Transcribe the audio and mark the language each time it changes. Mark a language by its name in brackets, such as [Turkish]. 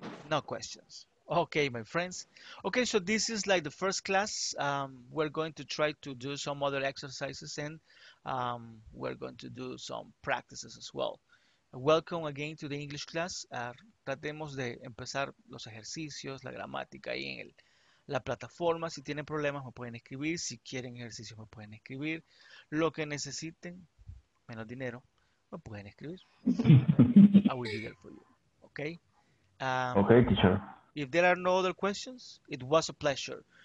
[English] No questions. Okay, my friends. Okay, so this is like the first class. We're going to try to do some other exercises and we're going to do some practices as well. Welcome again to the English class. [Spanish] Tratemos de empezar los ejercicios, la gramática ahí en la plataforma. Si tienen problemas, me pueden escribir. Si quieren ejercicios, me pueden escribir. Lo que necesiten, menos dinero, me pueden escribir. [English] I will be there for you. Okay? Okay, teacher. If there are no other questions, it was a pleasure.